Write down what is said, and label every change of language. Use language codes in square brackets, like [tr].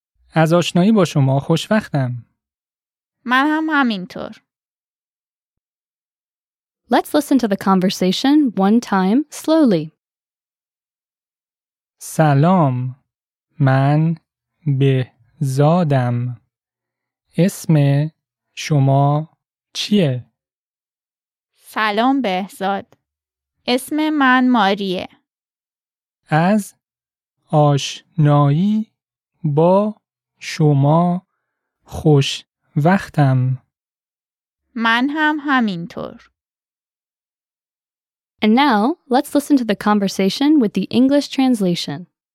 [fa] از آشنایی با شما خوشبختم. من هم همینطور. [en] Let's listen to the conversation one time slowly. [fa] سلام. من بهزادم. اسم شما چیه؟ سلام بهزاد. اسم من ماریه. از آشنایی با شما خوش وقتم. من هم همینطور. [en] And now, let's listen to the conversation with the English translation.